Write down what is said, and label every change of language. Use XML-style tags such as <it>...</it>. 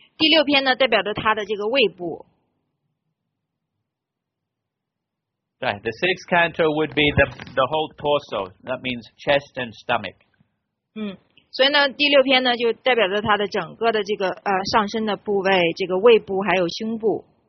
<zh>第六篇呢代表着他的这个胃部。</zh> <en>Right, the sixth canto would be the whole torso. That means chest and stomach.</en> <zh>所以呢第六篇呢就代表着他的整个的这个上身的部位，这个胃部还有胸部。</zh>